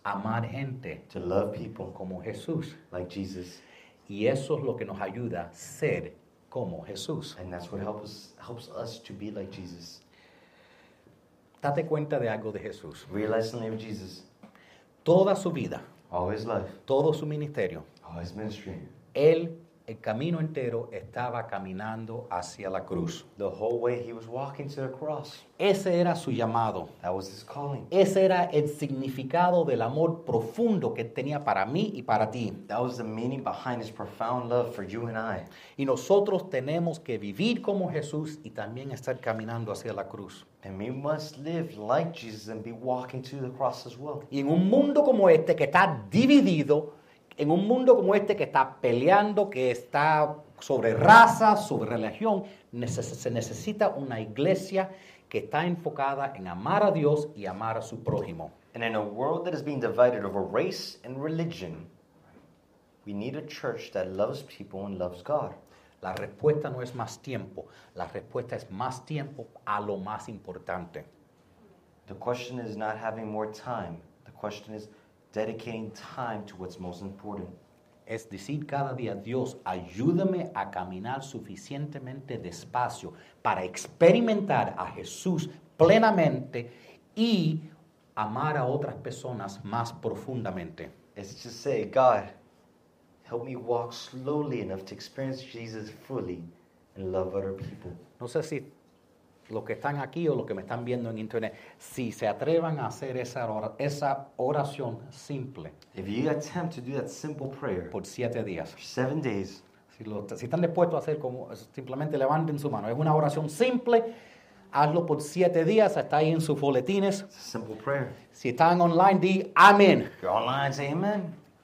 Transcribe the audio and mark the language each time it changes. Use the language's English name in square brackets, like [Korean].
[Spanish] Amar gente. [English] To love people. [Spanish] Como Jesús. [English] Like Jesus. [Spanish] Y eso es lo que nos ayuda a ser como Jesús. [English] And that's what helps us to be like Jesus. [Spanish] Date cuenta de algo de Jesús. [English] Realize the name of Jesus. [Spanish] Toda su vida. [English] All his life. [Spanish] Todo su ministerio. [English] All his ministry. [Spanish] El camino entero estaba caminando hacia la cruz. [English] The whole way he was walking to the cross. [Spanish] Ese era su llamado. [English] That was his calling. [Spanish] Ese era el significado del amor profundo que tenía para mí y para ti. [English] That was the meaning behind his profound love for you and I. [Spanish] Y nosotros tenemos que vivir como Jesús y también estar caminando hacia la cruz. [English] And we must live like Jesus and be walking to the cross as well. [Spanish] Y en un mundo como este que está dividido, en un mundo como este que está peleando, que está sobre raza, sobre religión, se necesita una iglesia que está enfocada en amar a Dios y amar a su prójimo. [English] And in a world that is being divided over race and religion, we need a church that loves people and loves God. [Spanish] La respuesta no es más tiempo. La respuesta es más tiempo a lo más importante. [English] The question is not having more time. The question is dedicating time to what's most important. [Spanish] Es decir, cada día, Dios, ayúdame a caminar suficientemente despacio para experimentar a Jesús plenamente y amar a otras personas más profundamente. [English] It's to say, God, help me walk slowly enough to experience Jesus fully and love other people. [Spanish] No sé si los que están aquí o los que me están viendo en internet, si se atrevan a hacer esa oración simple. [English] If you attempt to do that simple prayer. [Spanish] Por 7 días. [English] 7 days. [Spanish] Si están dispuestos a hacer como, simplemente levanten su mano. Es una oración simple. Hazlo por 7 días. Está ahí en sus boletines. [English] It's a simple prayer. [Spanish] Si están online, di amén. [English] If you're online, say amen.